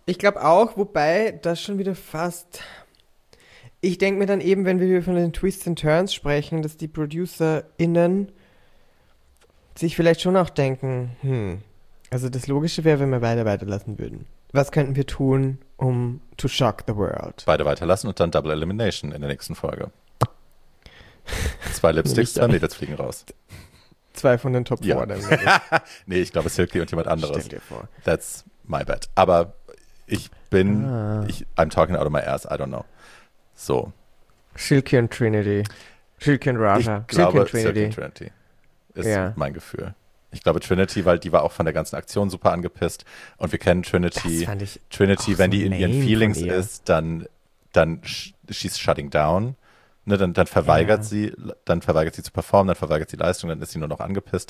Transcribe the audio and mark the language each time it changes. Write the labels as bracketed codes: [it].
[de] Ich glaube auch, wobei das schon wieder fast. Ich denke mir dann eben, wenn wir von den [en] Twists and Turns [de] sprechen, dass die ProducerInnen sich vielleicht schon auch denken, also das Logische wäre, wenn wir beide weiterlassen würden. Was könnten wir tun, um [en] to shock the world? [de] Beide weiterlassen und dann Double Elimination in der nächsten Folge. Zwei Lipsticks, zwei Mädels fliegen raus. Zwei von den Top 4. Nee, ich glaube Silky und jemand anderes. Stell dir vor. [en] That's my bad. [de] Aber ich bin, [en] I'm talking out of my ass, I don't know. [de] So. Silky und Trinity. Silky und Raja. Ich glaube, Silky und Trinity ist mein Gefühl. Ich glaube Trinity, weil die war auch von der ganzen Aktion super angepisst. Und wir kennen Trinity. Das fand ich Trinity, wenn so die in ihren Feelings ist, dann [en] she's shutting down. [de] Ne, dann verweigert sie zu performen, dann verweigert sie Leistung, dann ist sie nur noch angepisst.